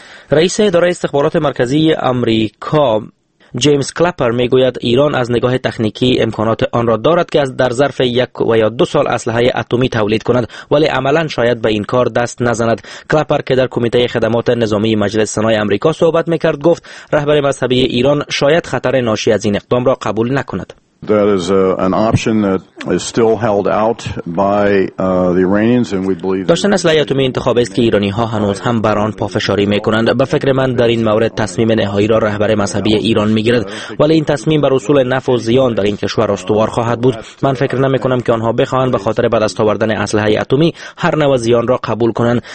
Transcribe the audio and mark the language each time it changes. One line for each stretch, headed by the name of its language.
Persian: رئیس اداره استخبارات مرکزی آمریکا جیمز کلپر میگوید ایران از نگاه تکنیکی امکانات آن را دارد که از در ظرف یک و یا دو سال اسلحه اتمی تولید کند، ولی عملا شاید به این کار دست نزند. کلپر که در کمیته خدمات نظامی مجلس سنای آمریکا صحبت میکرد گفت رهبر مذهبی ایران شاید خطر ناشی از این اقدام را قبول نکند.
English: That is an option that is still held out by the Iranians, and we believe.
Persian: داشتن اسلحه اتمی انتخاب است که ایرانی‌ها هنوز هم بر آن پافشاری می‌کنند. به فکر من در این مورد تصمیم نهایی را رهبر مذهبی ایران می‌گیرد، ولی این تصمیم بر اصول نفع و زیان در این کشور استوار خواهد بود. من فکر نمی‌کنم که آنها بخواهند به خاطر به دست آوردن اسلحه اتمی هر نوع زیان را قبول کنند.